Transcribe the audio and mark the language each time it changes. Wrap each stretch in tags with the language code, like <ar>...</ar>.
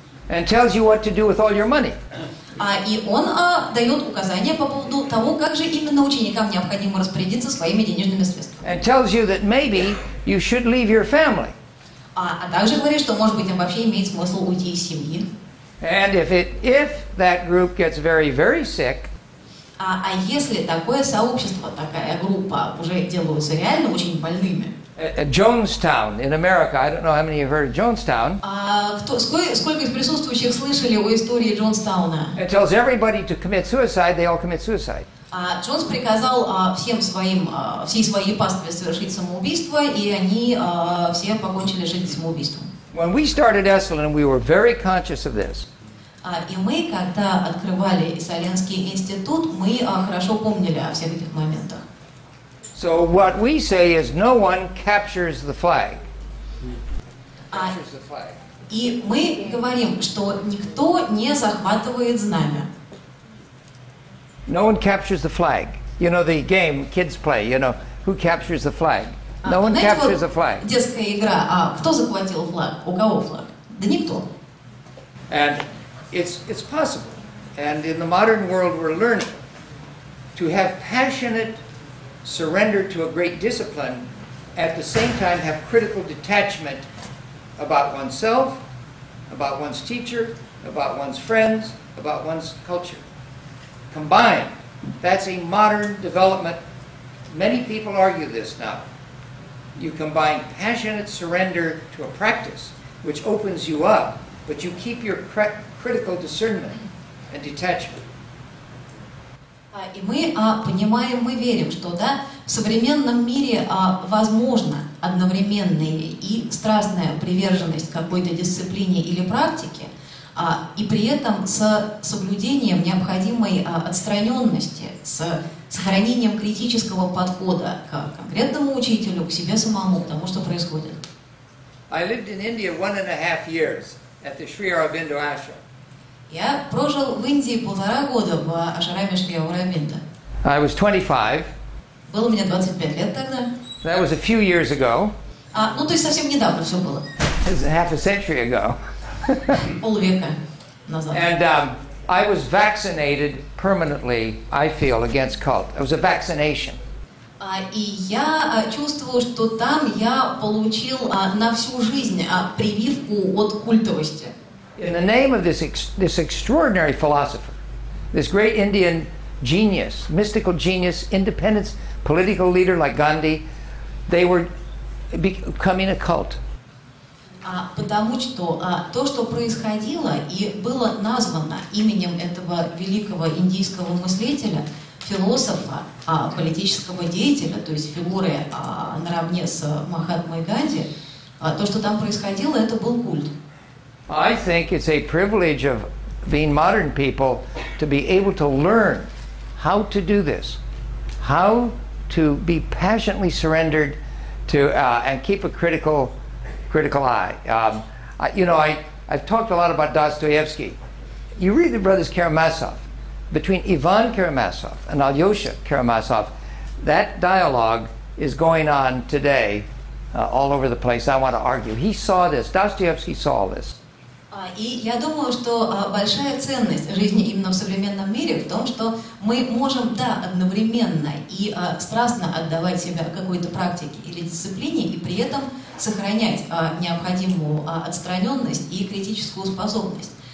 <en>And tells you what to do with all your money. And tells you that maybe you should leave your family.</en> <ru>А также говорит, что, может быть, им вообще имеет смысл уйти из семьи.</ru> <en>And if that group gets very, very sick,</en> <ru>а если такое сообщество, такая группа уже делаются реально очень больными?</ru> <en>Jonestown in America. I don't know how many of you have heard of Jonestown.</en> <ru>Сколько из присутствующих слышали о истории Джонстауна?</ru> <en>It tells everybody to commit suicide. They all commit suicide.</en> <ru>Джонс приказал всей своей пастве совершить самоубийство, и они все покончили жизнь самоубийством.</ru> <en>When we started Esalen, we were very conscious of this.</en> <ru>И мы, когда открывали Эсаленский институт, мы хорошо помнили о всех этих моментах.</ru> <en>So what we say is no one captures the flag.</en> <ru>И мы говорим, что никто не захватывает знамя.</ru> <en>No one captures the flag. You know the game kids play, you know, who captures the flag? No one captures the flag.</en> <ru>Детская игра. А кто захватил флаг? У кого флаг? Да никто.</ru> <en>And it's possible. And in the modern world we're learning to have passionate surrender to a great discipline, at the same time have critical detachment about oneself, about one's teacher, about one's friends, about one's culture. Combined, that's a modern development. Many people argue this now. You combine passionate surrender to a practice, which opens you up, but you keep your critical discernment and detachment.</en> <ru>И мы понимаем, мы верим, что да, в современном мире возможно одновременные и страстная приверженность какой-то дисциплине или практике, и при этом с соблюдением необходимой отстраненности, с сохранением критического подхода к конкретному учителю, к себе самому, к тому, что происходит.</ru> <en>I lived in India 1.5 years at the Sri Aurobindo Ashram.</en> <ru>Я прожил в Индии 1.5 года в ашраме Шри Аурабинда.</ru> <en>I was 25.</en> <ru>Было мне 25 лет тогда.</ru> <en>That was a few years ago.</en> <ru>Ну, то есть совсем недавно все было.</ru> <en>It was half a century ago.</en> <ru>Полвека назад.</ru> <en>And I was vaccinated permanently, I feel, against cult. It was a vaccination.</en> <ru>И я чувствую, что там я получил на всю жизнь прививку от культовости.</ru> <en>In the name of this extraordinary philosopher, this great Indian genius, mystical genius, independence, political leader like Gandhi, they were becoming a cult.</en> <ru>Потому что то, что происходило и было названо именем этого великого индийского мыслителя, философа, политического деятеля, то есть фигуры наравне с Махатмой Ганди, то, что там происходило, это был культ.</ru> <en>I think it's a privilege of being modern people to be able to learn how to do this, how to be passionately surrendered to and keep a critical eye. I've talked a lot about Dostoevsky. You read the brothers Karamazov, between Ivan Karamazov and Alyosha Karamazov, that dialogue is going on today all over the place. I want to argue. He saw this. Dostoevsky saw this.</en> <ru>И я думаю, что большая ценность жизни именно в современном мире в том, что мы можем, да, одновременно и страстно отдавать себя какой-то практике или дисциплине, и при этом сохранять необходимую отстраненность и критическую способность.</ru>